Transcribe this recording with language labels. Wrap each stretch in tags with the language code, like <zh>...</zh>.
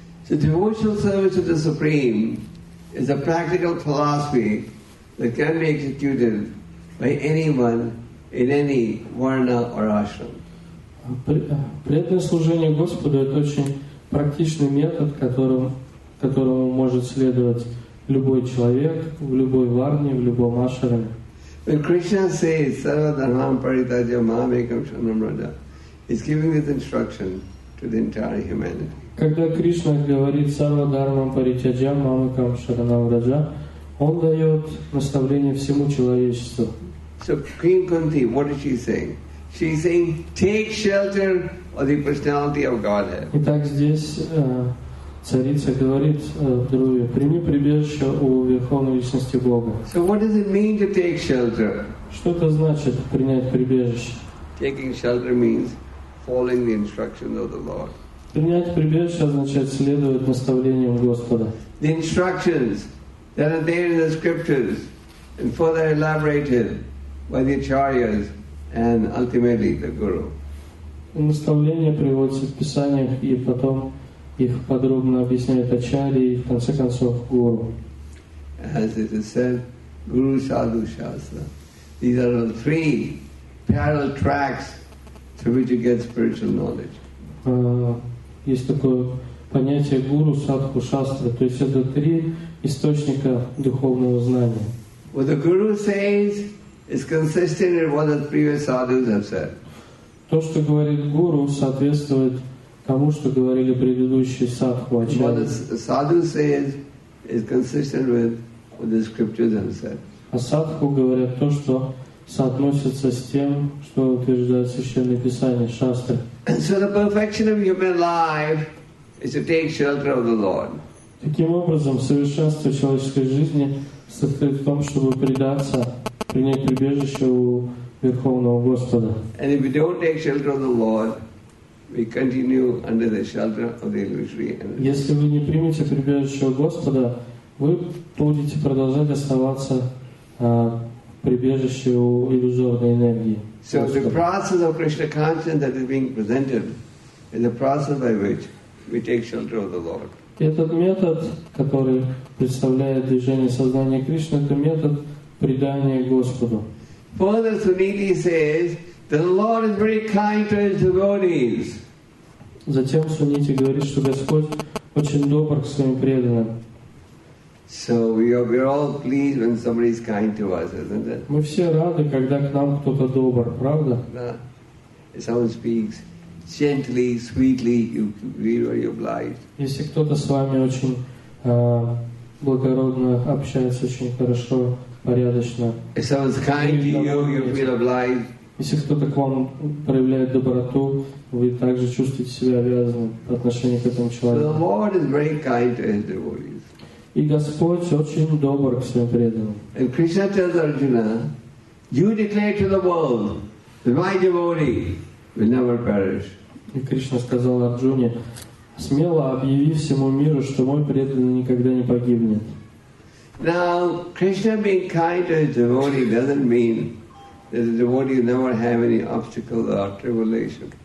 <en>So devotional service to the Supreme is a practical philosophy that can be executed by anyone in any varna or ashram.</en> <ru>Преданное служение Господу – это очень практичный метод, которому может следовать любой человек в любой варне, в любом ашраме.</ru> <en>When Krishna says</en> <sa>"Sarva dharmam paritajya mamekam sharanam raja,"</sa> <en>he's giving this instruction to the entire humanity.</en> <ru>Когда Кришна говорит</ru> <sa>"Сарва дармам паритяджа мамекам шаранам раджа",</sa> <ru>он дает наставление всему человечеству.</ru> <en>So Queen Kunti, what is she saying? She's saying, "Take shelter of the personality of Godhead."</en> <ru>Итак, здесь царица говорит Друве: "Прими прибежище у верховной личности Бога."</ru> <en>So what does it mean to take shelter?</en> <ru>Что это значит принять прибежище?</ru> <en>Taking shelter means following the instructions of the Lord.</en> <ru>Принять прибежище означает следовать наставлениям Господа.</ru> <en>The instructions that are there in the scriptures and further elaborated by the acharyas and ultimately the guru.</en> <ru>Наставления приводятся в писаниях, и потом их подробно объясняют ачарьи, и в конце концов гуру.</ru> <en>As it is said, Guru Sadhu Shastra. These are the three parallel tracks through which you get spiritual knowledge.</en> <ru>Есть такое понятие гуру, садху, шастра. То есть это три источника духовного знания.</ru> <en>What the guru says is consistent with what the previous sadhus have said.</en> <ru>То, что говорит гуру, соответствует тому, что говорили предыдущие садху, ачарьи.</ru> <en>What the sadhu says is consistent with what the scriptures have said.</en> <ru>А садху говорят то, что соотносится с тем, что утверждает Священное Писание, шастры.</ru> <en>And so the perfection of human life is to take shelter of the Lord.</en> <ru>Таким образом, совершенство человеческой жизни состоит в том, чтобы предаться, принять прибежище у Верховного Господа.</ru> <en>And if we don't take shelter of the Lord, we continue under the shelter of the illusory enemy.</en> <ru>Если вы не примете прибежище у Господа, вы будете продолжать оставаться прибежище у иллюзорной энергии.</ru> <en>So the process of Krishna consciousness that is being presented is the process by which we take shelter of the Lord.</en> <ru>Этот метод, который представляет движение сознания Кришны, это метод предания Господу.</ru> <en>Further, Suniti says the Lord is very kind to his devotees.</en> <ru>Затем Суниди говорит, что Господь очень добр к своим преданным.</ru> <en>So we're all pleased when somebody is kind to us, isn't it?</en> <ru>Мы все рады, когда к нам кто-то добр, правда? Да.</ru> <en>Someone speaks gently, sweetly, you feel very obliged.</en> <ru>Если кто-то с вами очень благородно общается, очень хорошо, порядочно.</ru> <en>If someone's kind to you, you feel obliged.</en> <ru>Если кто-то к вам проявляет доброту, вы также чувствуете себя обязанным по отношению к этому человеку.</ru> <en>So the Lord is very kind to his devotees.</en> <ru>И Господь очень добр к своим преданным.</ru> <en>And Krishna tells Arjuna, you declare to the world that my devotee will never perish.</en> <ru>И Кришна сказал Арджуне, смело объяви всему миру, что мой преданный никогда не погибнет.</ru> <en>Now, Krishna being kind to his devotee doesn't mean that the devotee will never have any obstacle or tribulation.</en>